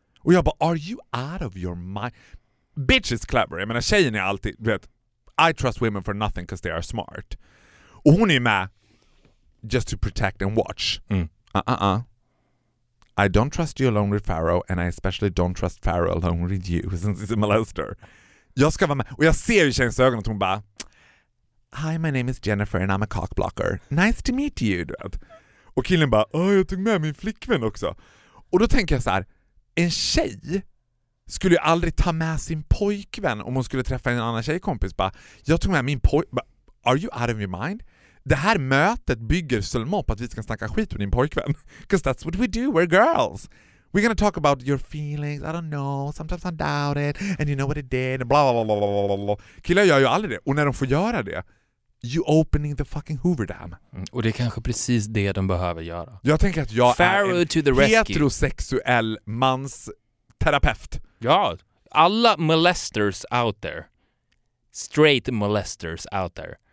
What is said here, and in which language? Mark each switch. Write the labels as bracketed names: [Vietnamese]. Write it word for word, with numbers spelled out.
[Swedish] Och jag bara, [English] are you out of your mind? Bitch is clever. [Swedish] Jag menar, tjejen är alltid, du vet, [English] I trust women for nothing because they are smart. [Swedish] Och hon är med [English] just to protect and watch. Mm. Uh, uh, uh. I don't trust you alone with Pharaoh, and I especially don't trust Pharaoh alone with you since he's a molester. [Swedish] Jag ska vara med. Och jag ser i tjejens ögon att hon bara, [English] hi, my name is Jennifer and I'm a cockblocker. Nice to meet you, [Swedish] du vet. Och killen bara, åh, jag tog med min flickvän också. Och då tänker jag så här, en tjej skulle ju aldrig ta med sin pojkvän om hon skulle träffa en annan tjejkompis. Bara, jag tog med min pojkvän. [English] Are you out of your mind? [Swedish] Det här mötet bygger sölma på att vi ska snacka skit med din pojkvän. [English] Because that's what we do, we're girls. We're gonna talk about your feelings, I don't know, sometimes I doubt it, and you know what it did, bla bla bla bla bla. [Swedish] Killar gör ju aldrig det. Och när de får göra det, [English] you opening the fucking Hoover Dam. [Swedish] Mm, och det är kanske precis det de behöver göra. Jag tänker att jag Pharaoh är en heterosexuell mans terapeut. Ja, alla [English] molesters out there. Straight molesters out there.